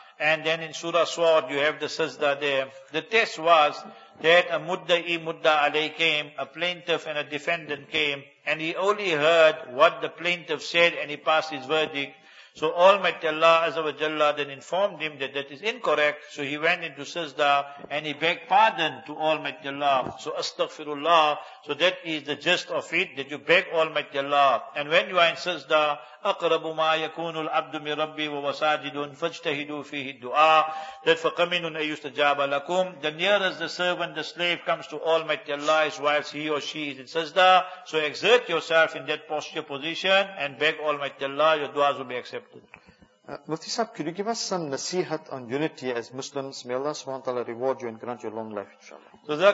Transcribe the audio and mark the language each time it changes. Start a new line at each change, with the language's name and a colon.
English: And then in Surah Swad you have the sajda there. The test was that a mudda'i mudda alayhi came, a plaintiff and a defendant came, and he only heard what the plaintiff said and he passed his verdict. So Almighty Allah Azza wa Jalla then informed him that that is incorrect. So he went into sajda and he begged pardon to Almighty Allah. So astaghfirullah. So that is the gist of it, that you beg Almighty Allah.
Arabic: And when you are in sajda, أَقْرَبُ مَا يَكُونُ الْعَبْدُ مِنْ رَبِّي وَوَسَاجِدٌ فَاجْتَهِدُوا فِيهِ الدُّعَاءِ that فَقَمِنٌ أَيُسْتَجَابَ لَكُمْ.
English: The nearest the servant, the slave comes to Almighty Allah is whilst he or she is in sajda. So exert yourself in that posture position and beg Almighty Allah, your du'as will be accepted. Mufti Sahib, could you give us some nasihat on unity as Muslims? May Allah subhanahu wa ta'ala reward you and grant you a long life, inshallah.